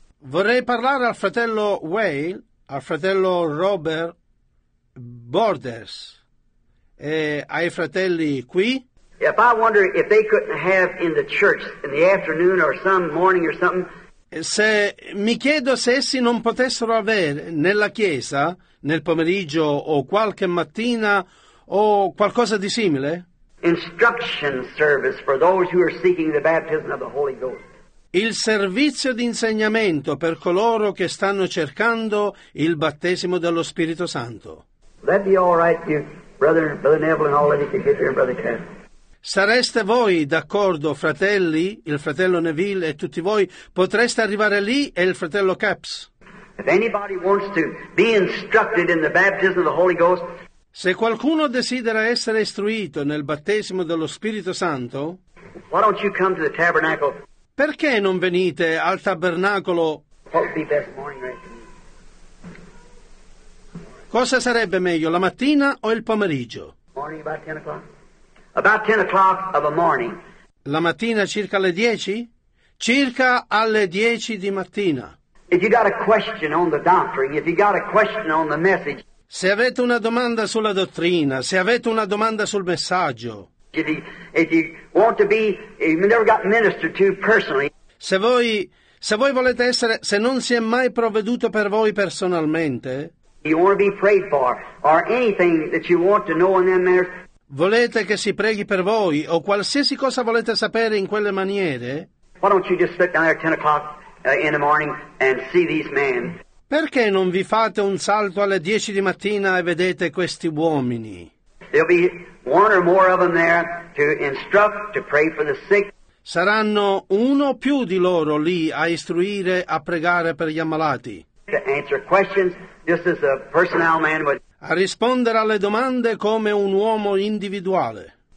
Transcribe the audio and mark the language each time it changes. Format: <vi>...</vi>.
<it>Vorrei parlare al fratello Vail, al fratello Robert Borders, e ai fratelli qui.</it> <en>If I wonder if they couldn't have in the church in the afternoon or some morning or something.</en> <it>Se mi chiedo se essi non potessero avere nella chiesa nel pomeriggio o qualche mattina o qualcosa di simile.</it> <en>Instruction service for those who are seeking the baptism of the Holy Ghost.</en> <it>Il servizio di insegnamento per coloro che stanno cercando il battesimo dello Spirito Santo.</it> <en>That'd be all right, you, brother Neville and all of you could get here, brother Ken.</en> <it>Sareste voi d'accordo, fratelli, il fratello Neville e tutti voi, potreste arrivare lì e il fratello Caps?</it> <en>If anybody wants to be instructed in the baptism of the Holy Ghost,</en> <it>se qualcuno desidera essere istruito nel battesimo dello Spirito Santo,</it> <en>why don't you come to the tabernacle?</en> <it>Perché non venite al tabernacolo?</it> <en>What would be best morning, right?</en> <it>Cosa sarebbe meglio, la mattina o il pomeriggio?</it> <en>Morning about 10 o'clock. About 10 o'clock of a morning.</en> <it>La mattina circa alle 10? Circa alle 10 di mattina.</it> <en>If you got a question on the doctrine, if you got a question on the message.</en> <it>Se avete una domanda sulla dottrina, se avete una domanda sul messaggio.</it> <en>If you want to be, you've never got ministered to personally.</en> <it>Se voi volete essere, se non si è mai provveduto per voi personalmente.</it> <en>You want to be prayed for, or anything that you want to know in that manner.</en> <it>Volete che si preghi per voi o qualsiasi cosa volete sapere in quelle maniere?</it> <en>Why don't you just sit down there at 10 o'clock in the morning and see these men?</en> <it>Perché non vi fate un salto alle 10 di mattina e vedete questi uomini?</it> <en>There'll be one or more of them there to instruct, to pray for the sick.</en> <it>Saranno uno o più di loro lì a istruire, a pregare per gli ammalati.</it> <en>to answer questions just as a personnel man would.</en> <it>A rispondere alle domande come un uomo individuale.</it>